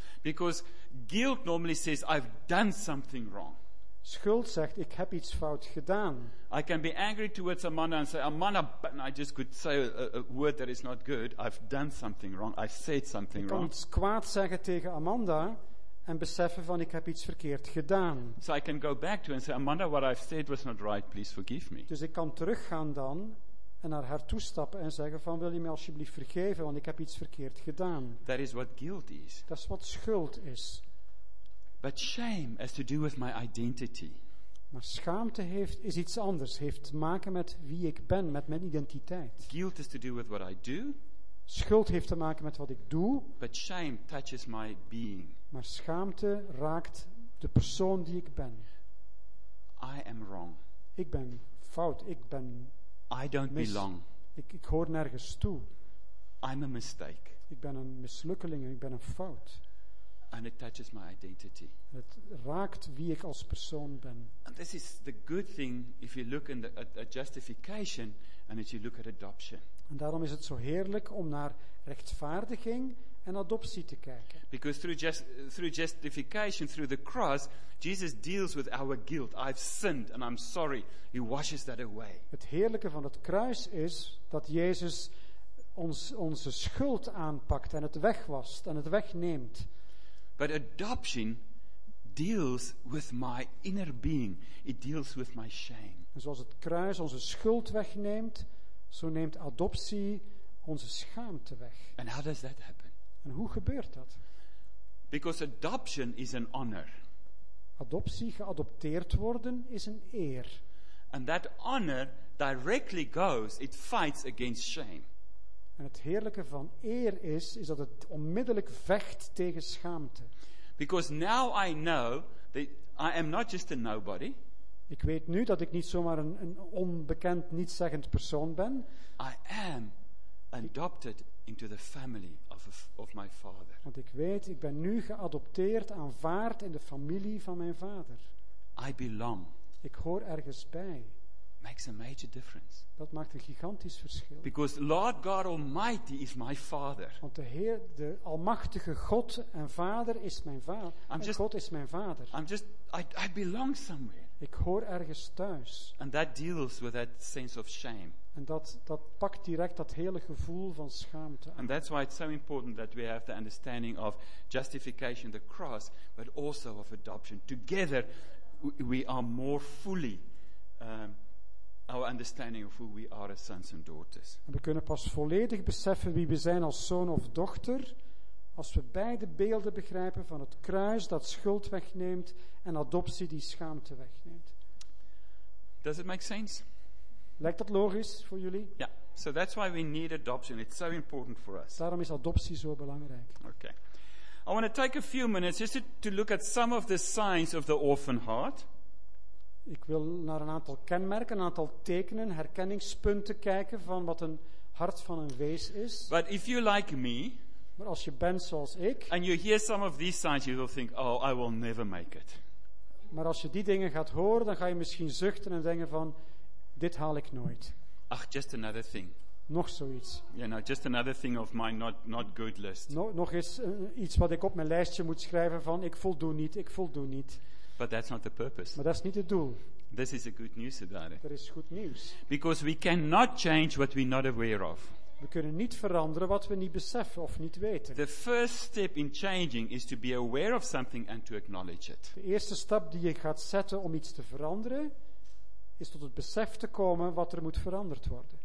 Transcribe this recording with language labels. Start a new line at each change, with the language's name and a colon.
English: Because guilt normally says I've done something wrong.
Dutch: Schuld zegt ik heb iets fout gedaan.
English: I can be angry towards Amanda and say Amanda, but I just could say a word that is not good. I've done something wrong. I said something wrong.
Dutch: Ik kan iets kwaad zeggen tegen Amanda en beseffen van ik heb iets verkeerd gedaan.
English: So I can go back to her and say Amanda, what I've said was not right. Please forgive me.
Dutch: Dus ik kan teruggaan dan en naar haar toestappen en zeggen van wil je mij alsjeblieft vergeven want ik heb iets verkeerd gedaan.
English: That is what guilt is.
Dutch: Dat is wat schuld is.
English: But shame has to do with my identity.
Dutch: Maar schaamte heeft is iets anders. Heeft te maken met wie ik ben, met mijn identiteit.
English: Guilt has to do with what I do.
Dutch: Schuld heeft te maken met wat ik doe.
English: But shame touches my being.
Dutch: Maar schaamte raakt de persoon die ik ben.
English: I am wrong.
Dutch: Ik ben fout. Ik ben
English: I don't
Dutch: mis.
English: Belong.
Dutch: Ik hoor nergens toe. I'm a mistake. Ik ben een mislukkeling. Ik ben een fout.
English: And it touches my identity.
Dutch: Het raakt wie ik als persoon ben.
English: And this is the good thing if you look in at justification and if you look at adoption.
Dutch: En daarom is het zo heerlijk om naar rechtvaardiging en adoptie te kijken.
English: Because through justification, through the cross, Jesus deals with our guilt. I've sinned and I'm sorry. He washes that away.
Dutch: Het heerlijke van het kruis is dat Jezus onze schuld aanpakt en het wegwast en het wegneemt.
English: But adoption deals with my inner being. It deals with my shame.
Dutch: En zoals het kruis onze schuld wegneemt, zo neemt adoptie onze schaamte weg.
English: And how does that happen?
Dutch: En hoe gebeurt dat?
English: Because adoption is an honor.
Dutch: Adoptie, geadopteerd worden, is een eer.
English: And that honor directly goes, it fights against shame.
Dutch: En het heerlijke van eer is dat het onmiddellijk vecht tegen schaamte.
English: Because now I know that I am not just a nobody.
Dutch: Ik weet nu dat ik niet zomaar een onbekend, nietszeggend persoon ben.
English: I am adopted into the family of my father.
Dutch: Want ik weet, ik ben nu geadopteerd, aanvaard in de familie van mijn vader.
English: I belong.
Dutch: Ik hoor ergens bij.
English: Makes a major difference.
Dutch: Dat maakt een gigantisch verschil.
English: Because Lord God Almighty is my Father.
Dutch: Want de Heer, de almachtige God en Vader is mijn Vader. God is mijn Vader.
English: I belong somewhere.
Dutch: Ik hoor ergens thuis.
English: And that deals with that sense of shame.
Dutch: En dat pakt direct dat hele gevoel van schaamte aan.
English: And that's why it's so important that we have the understanding of justification, the cross, but also of adoption. Together, we are more fully. Our understanding of who we are as sons and daughters.
Dutch: We kunnen pas volledig beseffen wie we zijn als zoon of dochter als we beide beelden begrijpen van het kruis dat schuld wegneemt en adoptie die schaamte wegneemt.
English: Does it make sense?
Dutch: Lijkt dat logisch voor jullie?
English: Ja. Yeah. So that's why we need adoption. It's so important for us.
Dutch: Daarom is adoptie zo belangrijk.
English: Okay. I want to take a few minutes just to look at some of the signs of the orphan heart.
Dutch: Ik wil naar een aantal kenmerken, een aantal tekenen, herkenningspunten kijken van wat een hart van een wees is.
English: But if you like me,
Dutch: maar als je bent zoals ik,
English: and you hear some of these signs, you will think, oh, I will never make it.
Dutch: Maar als je die dingen gaat horen, dan ga je misschien zuchten en denken van, dit haal ik nooit.
English: Ach, just another thing.
Dutch: Nog zoiets.
English: Yeah, no, just another thing of my not good list.
Dutch: Nog eens iets wat ik op mijn lijstje moet schrijven van, ik voldoe niet.
English: But that's not the purpose.
Dutch: Maar dat is niet het doel.
English: This is a good news about it.
Dutch: Dat is goed nieuws.
English: Because we cannot change what we're not aware of.
Dutch: We kunnen niet veranderen wat we niet beseffen of niet weten.
English: The first step in changing is to be aware of something and to acknowledge it.
Dutch: De eerste stap die je gaat zetten om iets te veranderen is tot het besef te komen wat er moet veranderd worden.